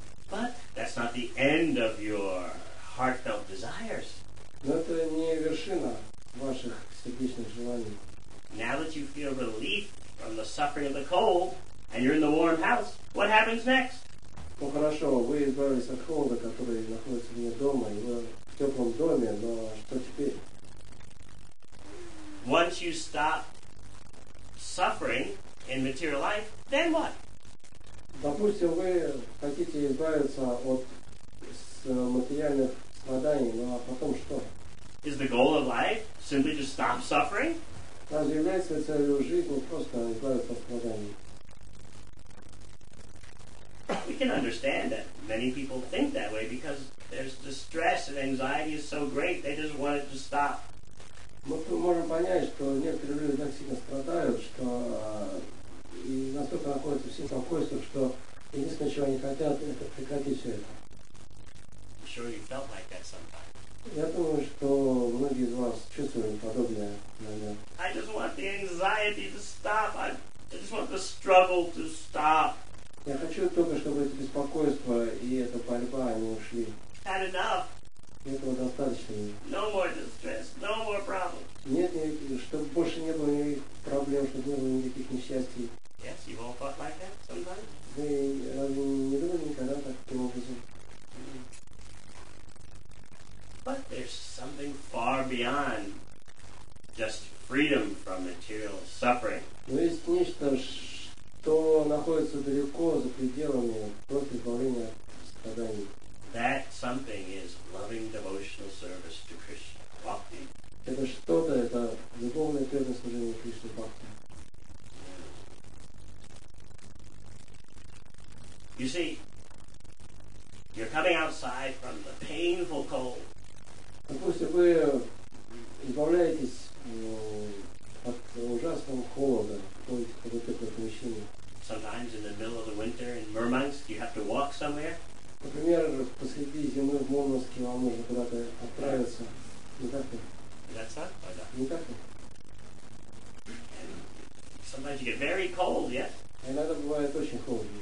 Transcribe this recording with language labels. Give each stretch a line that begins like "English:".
English: But that's not the end of your heartfelt desires.
Russian: Но это не вершина ваших сердечных желаний.
English: Now that you feel relief from the suffering of the cold and you're in the warm house, what happens next?
Russian: Ну хорошо, вы избавились от холода, который находится вне дома, и вы в теплом доме, но что теперь?
English: Once you stop suffering in material life, then what?
Russian: Допустим, вы хотите избавиться от материальных страданий, но потом что?
English: Is the goal of life simply to stop suffering?
Russian: Разве является целью жизни просто избавиться от страданий?
English: We can understand that many people think that way because there's the stress and anxiety is so great they just want it to stop.
Russian: Мы можем понять, что некоторые люди так сильно страдают, что и настолько находятся в беспокойстве, что единственное, чего они хотят, это прекратить все это.
English: I'm sure you felt like that sometimes.
Russian: Я думаю, что многие из вас чувствуют подобное, наверное.
English: I just want the anxiety to stop. I just want the struggle to stop.
Russian: Я хочу только, чтобы это беспокойство и эта борьба, они ушли.
English: Had enough.
Russian: Этого достаточно.
English: No more distress, no more problems.
Russian: Нет, чтобы больше не было никаких проблем, несчастье.
English: Yes, you all thought like that sometimes?
Russian: Вы разве не думали никогда таким образом?
English: But there's something far beyond just freedom from material suffering.
Russian: Но есть нечто, что находится далеко за пределами просто избавления от страданий.
English: That something is loving devotional service to Krishna Bhakti.
Russian: Это что-то, это любовное преданное служение Кришне Бхакти.
English: You see, you're coming outside from the painful cold.
Russian: Допустим, вы избавляетесь от ужасного холода, ходите в какое-то помещение.
English: Sometimes in the middle of the winter in Murmansk, you have to walk somewhere.
Russian: Например, посреди зимы в Мурманске вам нужно куда-то отправиться. Не так ли?
English: That's not like that.
Russian: Не так ли?
English: And sometimes you get very cold, yes?
Russian: Иногда бывает очень холодно.